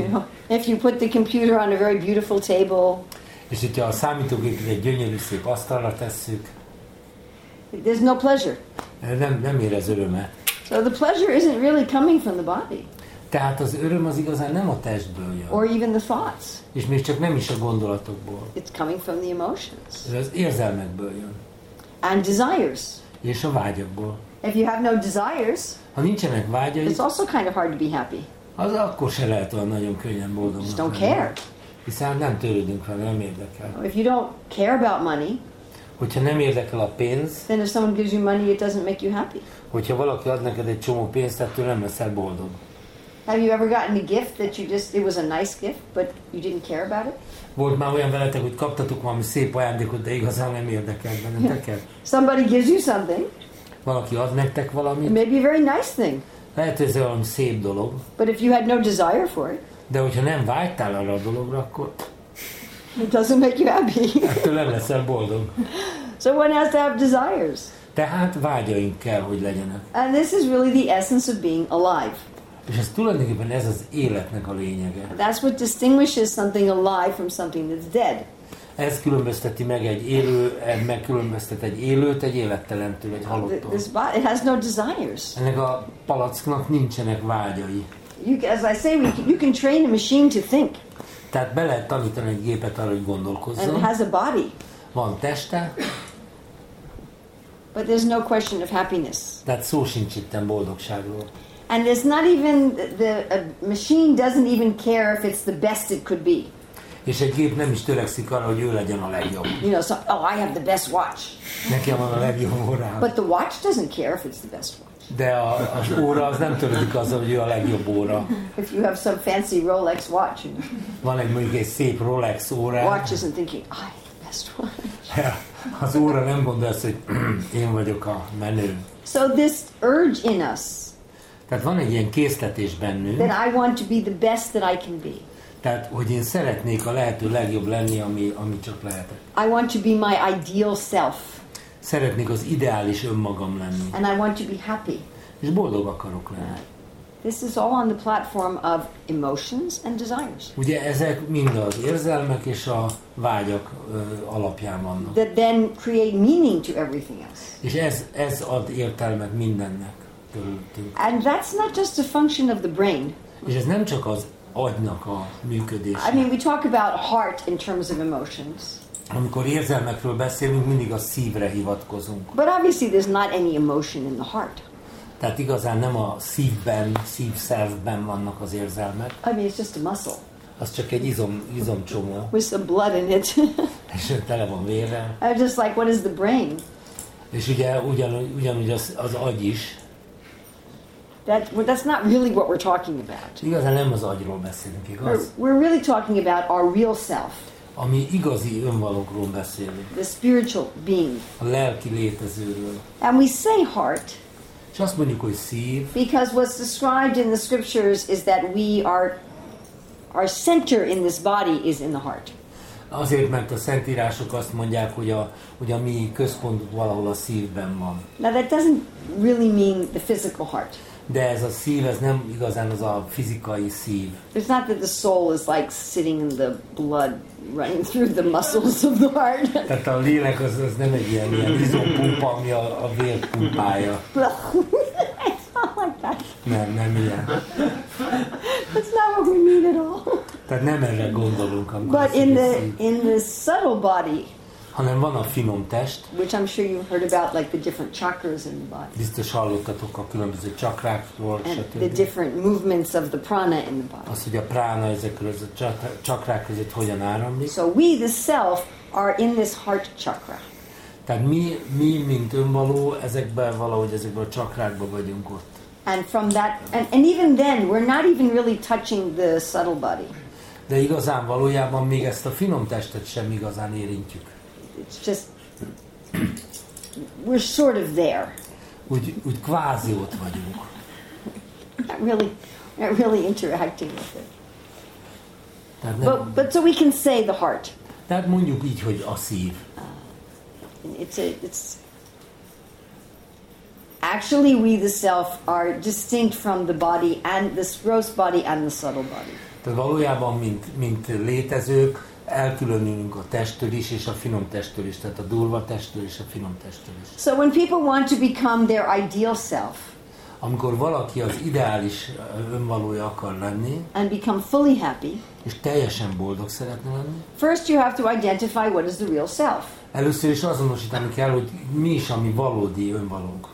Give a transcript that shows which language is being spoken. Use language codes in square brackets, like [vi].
[en] You know, if you put the computer on a very beautiful table. [hu] És hogyha a számítógépet egy gyönyörű szép asztalra tesszük. [en] There's no pleasure. [hu] Nem érez örömet. [en] So the pleasure isn't really coming from the body. [hu] Tehát az öröm az igazán nem a testből jön. [en] Or even the thoughts. [hu] És még csak nem is a gondolatokból. [en] It's coming from the emotions. [hu] Ez az érzelmekből jön. [en] And desires. [hu] És a vágyakból. [en] If you have no desires, [hu] ha nincsenek vágyai, [en] it's also kind of hard to be happy. [hu] Az akkor se lehet olyan nagyon könnyen boldognak. [en] Just don't care. [hu] Hiszen nem törődünk vele, nem érdekel. [en] If you don't care about money, [hu] Hogyha nem érdekel a pénz, [en] then if someone gives you money, it doesn't make you happy. [hu] Hogyha valaki ad neked egy csomó pénzt, attól nem leszel boldog. [en] Have you ever gotten a gift that you just, it was a nice gift, but you didn't care about it? [hu] Volt már olyan veletek, hogy kaptatok valami szép ajándékot, de igazán nem érdekel benneteket? [en] Somebody gives you something. [hu] Valaki ad nektek valamit. [en] Maybe a very nice thing. [hu] Lehet, hogy ez olyan szép dolog. [en] But if you had no desire for it. [hu] De hogyha nem vágytál arra a dologra, akkor... [en] It doesn't make you happy. [hu] Ettől nem leszel boldog. [en] So one has to have desires. [hu] Tehát vágyaink kell, hogy legyenek. [en] And this is really the essence of being alive. [hu] És ez tulajdonképpen ez az életnek a lényege. [en] That's what distinguishes something alive from something that's dead. [hu] Ez különbözteti meg egy élő, megkülönböztet egy élőt, egy élettelentől, egy halottól. [en] This body, it has no desires. [hu] Ennek a palacknak nincsenek vágyai. [en] You, as I say, you can train a machine to think. [hu] Tehát be lehet tanítani egy gépet arra, hogy gondolkozzon. [en] And it has a body. [hu] Van teste. [en] But there's no question of happiness. [hu] Tehát szó sincs itten boldogságról. [en] And it's not even the a machine doesn't even care if it's the best it could be. [hu] És egy gép nem is törekszik arra, hogy ő legyen a legjobb. [en] You know, so, oh, I have the best watch. [hu] Nekem van a legjobb órám. [en] But the watch doesn't care if it's the best watch. [hu] De az óra az nem törődik azzal, hogy ő a legjobb óra. [en] If you have some fancy Rolex watch. [hu] Van egy mondjuk egy szép Rolex óra. [en] Watch isn't thinking, I have the best watch. [hu] Az óra nem gondolja azt, hogy én vagyok a menő. [en] So this urge in us. [hu] Tehát van egy ilyen késztetés bennünk. [en] That I want to be the best that I can be. [hu] Tehát, hogy én szeretnék a lehető legjobb lenni, ami csak lehetek. [en] I want to be my ideal self. [hu] Szeretnék az ideális önmagam lenni. [en] And I want to be happy. [hu] És boldog akarok lenni. [en] This is all on the platform of emotions and desires. [hu] Ugye ezek mind az érzelmek és a vágyak alapján vannak. [en] That then create meaning to everything else. [hu] És ez ad értelmet mindennek körülöttünk. [en] And that's not just a function of the brain. [hu] És ez nem csak az agynak a működésnek. [en] I mean, we talk about heart in terms of emotions. [hu] Amikor érzelmekről beszélünk, mindig a szívre hivatkozunk. [en] But obviously there's not any emotion in the heart. [hu] Tehát igazán nem a szívben, szívszervben vannak az érzelmek. [en] I mean, it's just a muscle. [hu] Az csak egy izomcsomó. [en] With some blood in it. [hu] És tele van vérrel. [en] I'm just like, what is the brain? [hu] És ugye ugyanúgy az agy is. [en] That, well, that's not really what we're talking about. [hu] Igazán nem az agyról beszélünk, igaz? [en] We're really talking about our real self. [hu] Ami igazi önvalókról beszélünk. [en] The spiritual being. [hu] A lelki létezőről. [en] And we say heart. [hu] És azt mondjuk, hogy szív. [en] Because what's described in the scriptures is that we are, our center in this body is in the heart. [hu] Azért, mert a szentírások azt mondják, hogy a mi központunk valahol a szívben van. [en] Now that doesn't really mean the physical heart. [hu] De ez a szív, ez nem igazán az a fizikai szív. [en] It's not that the soul is like sitting in the blood running through the muscles of the heart. [hu] Tehát a lélek az nem egy ilyen izompumpa, ami a vér pumpája. [en] It's not like that. [hu] Nem ilyen. [en] That's not what we mean at all. [hu] Tehát nem erre gondolunk, amikor [en] but in the subtle body. [hu] Hanem van a finom test. [en] Which I'm sure you've heard about, like the different chakras in the body. [hu] Biztos hallottatok a különböző csakrákról, [en] and stb. The different movements of the prana in the body. [hu] Az, hogy a prana ezekről a csakrák között hogyan áramlik. [en] So we, the self, are in this heart chakra. [hu] Tehát mi mint önvaló, ezekben valahogy ezekben a csakrákban vagyunk ott. [en] And from that, and even then, we're not even really touching the subtle body. [hu] De igazán valójában még ezt a finom testet sem igazán érintjük. [en] It's just we're sort of there. [hu] Úgy kvázi ott vagyunk. [en] not really interacting with it. [hu] Tehát nem, [en] but so we can say the heart. [hu] Tehát mondjuk így, hogy a szív. [en] It's actually we the self are distinct from the body and this gross body and the subtle body. [hu] Tehát valójában mint létezők. Elkülönülünk a testtől is és a finom testtől is, tehát a durva testtől és a finom testtől is. [en] So when people want to become their ideal self. [hu] Amikor valaki az ideális önvalója akar lenni. [en] And become fully happy. [hu] És teljesen boldog szeretne lenni. [en] First you have to identify what is the real self. [hu] Először is azonosítani kell, hogy mi is a mi valódi önvalónk.